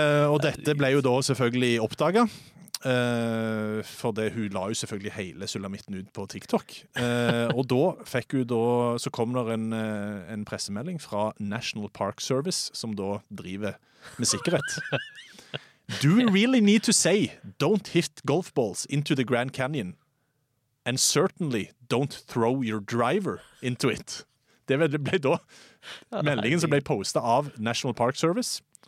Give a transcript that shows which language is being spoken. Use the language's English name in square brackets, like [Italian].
[Norwegian] Og dette ble jo da selvfølgelig oppdaget. For det, hun la jo selvfølgelig hele sulamitten ut på TikTok. Og da fikk hun da, så kom det en pressemelding fra National Park Service, som da driver med sikkerhet. [English] Do we really need to say don't hit golf balls into the Grand Canyon, and certainly don't throw your driver into it? [Norwegian] Det ble da meldingen som ble postet av National Park Service.